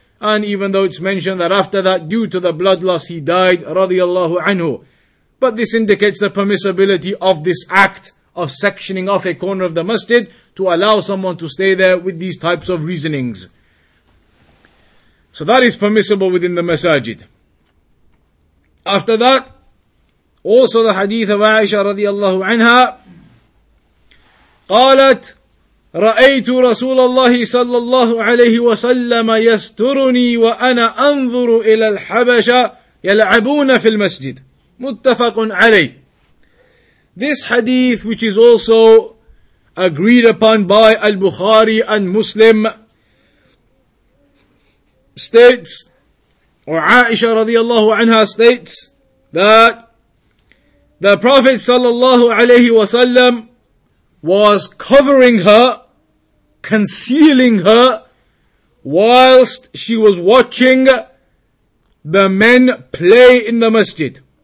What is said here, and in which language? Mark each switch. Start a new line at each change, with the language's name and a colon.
English: And even though it's mentioned that after that, due to the blood loss, he died radiallahu anhu. But this indicates the permissibility of this act of sectioning off a corner of the masjid to allow someone to stay there with these types of reasonings. So that is permissible within the masajid. After that, also the hadith of Aisha radiallahu anha,
Arabic: قالت رأيت رسول الله صلى الله عليه وسلم يسترني وأنا أنظر إلى الحبشة يلعبون في المسجد. متفق عليه.
English: This hadith, which is also agreed upon by Al-Bukhari and Muslim, states, or Aisha radiallahu anha states, that the Prophet sallallahu alayhi wasallam was covering her, concealing her, whilst she was watching the men play in the masjid.